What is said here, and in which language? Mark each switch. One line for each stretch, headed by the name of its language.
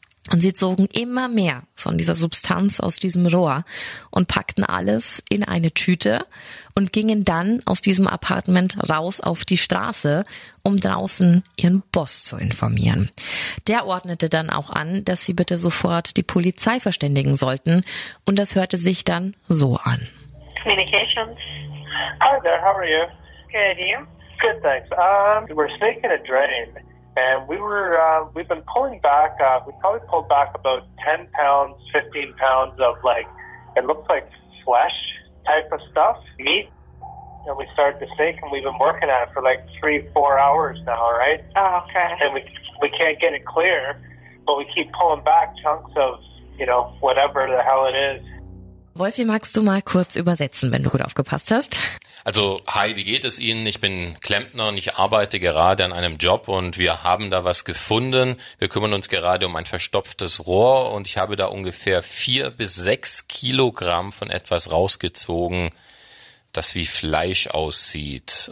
German: Und sie zogen immer mehr von dieser Substanz aus diesem Rohr und packten alles in eine Tüte und gingen dann aus diesem Apartment raus auf die Straße, um draußen ihren Boss zu informieren. Der ordnete dann auch an, dass sie bitte sofort die Polizei verständigen sollten. Und das hörte sich dann so an.
English: Communications. Hi there, how are you? Good, you? Good, thanks. We're snaking a drain, and we've been pulling back, we probably pulled back about 10 pounds, 15 pounds of, like, it looks like flesh type of stuff, meat, and we started to snake, and we've been working at it for, like, 3-4 hours now, right? Oh, okay. And we can't get it clear, but we keep pulling back chunks of, you know, whatever the hell it is.
German: Wolfi, magst du mal kurz übersetzen, wenn du gut aufgepasst hast? Also, hi, wie geht es Ihnen? Ich bin Klempner und ich arbeite gerade an einem Job und wir haben da was gefunden. Wir kümmern uns gerade um ein verstopftes Rohr und ich habe da ungefähr 4-6 Kilogramm von etwas rausgezogen, das wie Fleisch aussieht.